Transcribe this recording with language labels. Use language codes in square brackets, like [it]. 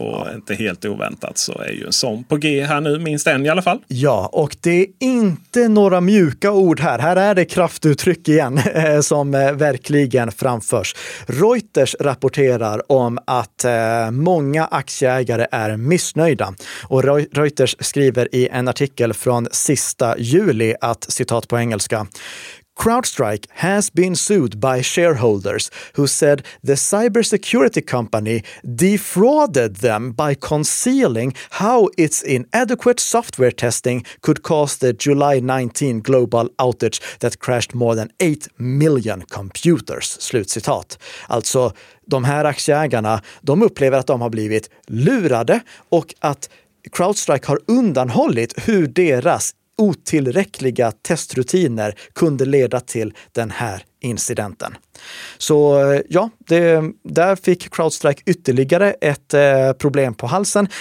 [sv] Och inte helt oväntat så är ju en sån på G här nu, minst en i alla fall. Ja, och det är inte några mjuka ord här. Här är det kraftuttryck igen som verkligen framförs. Reuters rapporterar om att många aktieägare är missnöjda. Och Reuters skriver i en artikel från sista juli att, citat på engelska, [en] CrowdStrike has been sued by shareholders who said the cybersecurity company defrauded them by concealing how its inadequate software testing could cause the July 19 global outage that crashed more than 8 million computers. [sv] Slutcitat. Alltså, de här aktieägarna, de upplever att de har blivit lurade och att CrowdStrike har undanhållit hur deras otillräckliga testrutiner kunde leda till den här incidenten. Så ja, där fick CrowdStrike ytterligare ett problem på halsen.